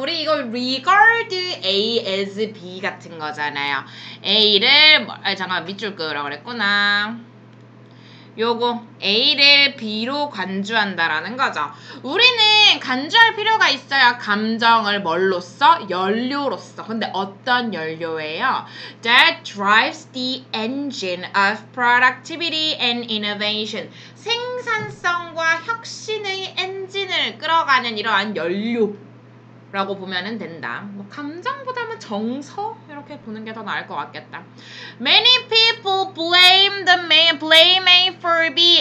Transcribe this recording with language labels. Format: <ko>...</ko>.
<ko>우리 이거</ko> <en>regard A as B</en> <ko>같은 거잖아요. A를, 잠깐만, 밑줄 끄라고 그랬구나. 요거 A를 B로 간주한다라는 거죠. 우리는 간주할 필요가 있어요. 감정을 뭘로써? 연료로써. 근데 어떤 연료예요?</ko> <en>That drives the engine of productivity and innovation.</en> <ko>생산성과 혁신의 엔진을 끌어가는 이러한 연료. 라고 보면은 된다. 뭐 감정보다는 정서 이렇게 보는 게 더 나을 것 같겠다.</ko> <en>Many people blame the man, blame A for B.</en>